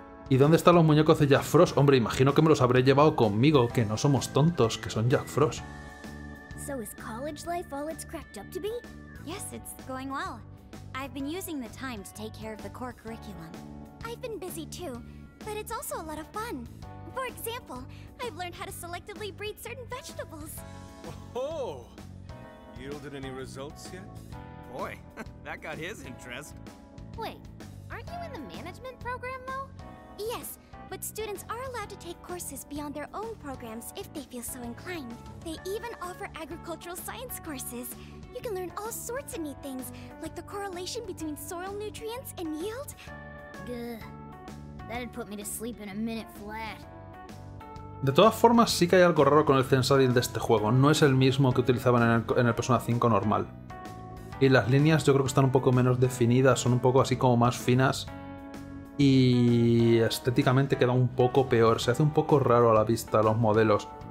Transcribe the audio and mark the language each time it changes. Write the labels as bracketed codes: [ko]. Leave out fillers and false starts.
[es] ¿Y dónde están los muñecos de Jack Frost? Hombre, imagino que me los habré llevado conmigo, que no somos tontos, que son Jack Frost. [en] So is college life all it's cracked up to be? Yes, it's going well. I've been using the time to take care of the core curriculum. I've been busy too, but it's also a lot of fun. For example, I've learned how to selectively breed certain vegetables. Oh, yielded any results yet? Boy, that got his interest. Wait, aren't you in the management program though? Yes, but students are allowed to take courses beyond their own programs if they feel so inclined. They even offer agricultural science courses. You can learn all sorts of neat things, like the correlation between soil nutrients and yield. Gah, that'd put me to sleep in a minute flat. [es] De todas formas, sí que hay algo raro con el sensoriel de este juego. No es el mismo que utilizaban en el Persona 5 normal. Y las líneas yo creo que están un poco menos definidas, son un poco así como más finas. Y estéticamente queda un poco peor, se hace un poco raro a la vista los modelos.